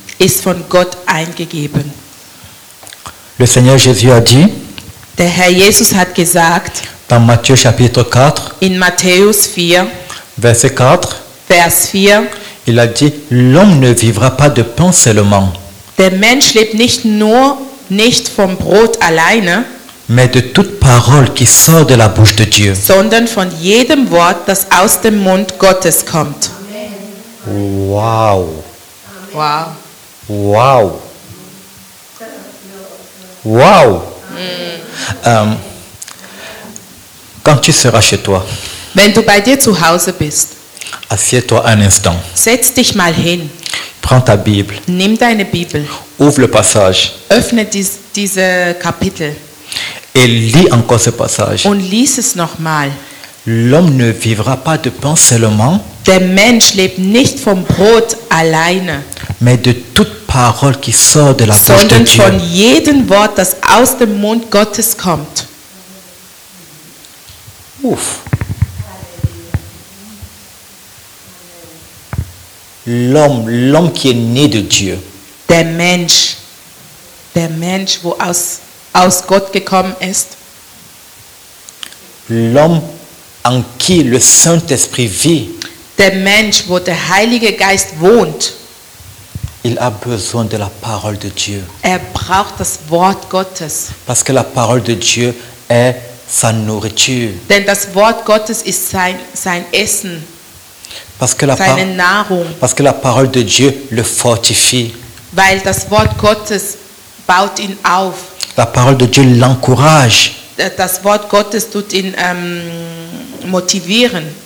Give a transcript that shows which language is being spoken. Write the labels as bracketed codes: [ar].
[de] Ist von Gott eingegeben. [fr] Le Seigneur Jésus a dit. [de] Der Herr Jesus hat gesagt. [fr] Dans Matthieu chapitre 4. [de] In Matthäus 4. [fr] Verset 4. [de] Vers 4. [fr] Il a dit, l'homme ne vivra pas de pain seulement. [de] Der Mensch lebt nicht vom Brot alleine, [fr] mais de toute parole qui sort de la bouche de Dieu. [de] Sondern von jedem Wort, das aus dem Mund Gottes kommt. Wow. Wow. Wow. Wow. [fr] Quand tu seras chez toi. [de] Wenn du bei dir zu Hause bist. [fr] Assieds-toi un instant. [de] Setz dich mal hin. [fr] Prends ta Bible. [de] Nimm deine Bibel. [fr] Ouvre le passage. [de] Öffne diese Kapitel. [fr] Et lis encore ce passage. [de] Und lies es nochmal. [fr] L'homme ne vivra pas de pain seulement. [de] Der Mensch lebt nicht vom Brot alleine. [fr] Mais de toute parole qui sort de la bouche de Dieu. [de] Sondern von jedem Wort, das aus dem Mund Gottes kommt. Ouf. [fr] L'homme qui est né de Dieu. [de] Der Mensch, wo aus Gott gekommen ist. [fr] L'homme en qui le Saint-Esprit vit. [de] Der Mensch, wo der Heilige Geist wohnt. [fr] Il a besoin de la parole de Dieu. [de] Er braucht das Wort Gottes. [fr] Parce que la parole de Dieu est sa nourriture. [de] Denn das Wort Gottes ist sein Essen. [fr] Parce que la parole de Dieu le fortifie. [de] Weil das Wort Gottes baut ihn auf. [fr] La parole de Dieu l'encourage. [de] Das Wort Gottes tut ihn motivieren.